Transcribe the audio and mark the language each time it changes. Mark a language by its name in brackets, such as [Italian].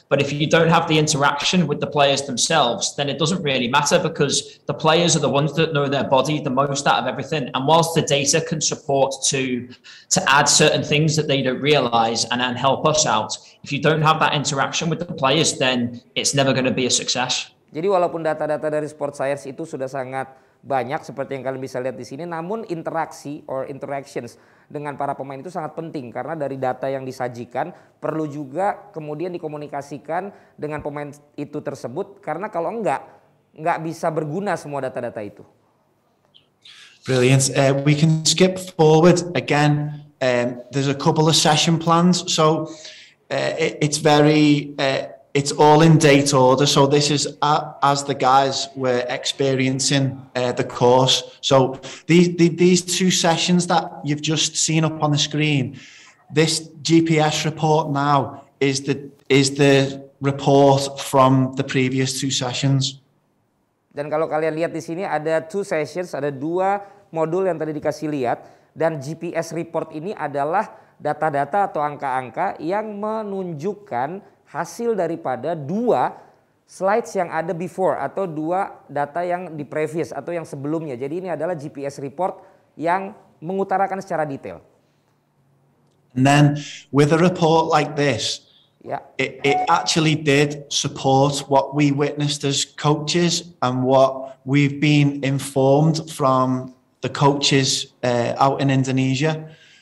[English] But if you don't have the interaction with the players themselves, then it doesn't really matter, because the players are the ones that know their body the most out of everything. And whilst the data can support to add certain things that they don't realize and help us out, if you don't have that interaction with the players, then it's never going to be a success. [Indonesian] Jadi walaupun data-data dari sport science itu sudah sangat banyak seperti yang kalian bisa lihat di sini, namun interaksi [English] or interactions [Indonesian] dengan para pemain itu sangat penting, karena dari data yang disajikan perlu juga kemudian dikomunikasikan dengan pemain itu tersebut, karena kalau enggak bisa berguna semua data-data itu. [English] Brilliant. We can skip forward again. There's a couple of session plans, so it's very it's all in date order. So this is as the guys were experiencing the course. So these two sessions that you've just seen up on the screen, this GPS report now is the report from the previous two sessions. [Indonesian] Dan kalau kalian lihat di sini ada [English] two sessions, [Indonesian] ada dua modul yang tadi dikasih lihat, dan GPS report ini adalah data-data atau angka-angka yang menunjukkan hasil daripada dua slides yang ada [English] before [Indonesian] atau dua data yang di [English] previous [Indonesian] atau yang sebelumnya. Jadi ini adalah GPS report yang mengutarakan secara detail. [English] And then with a report like this, it actually did support what we witnessed as coaches and what we've been informed from the coaches out in Indonesia.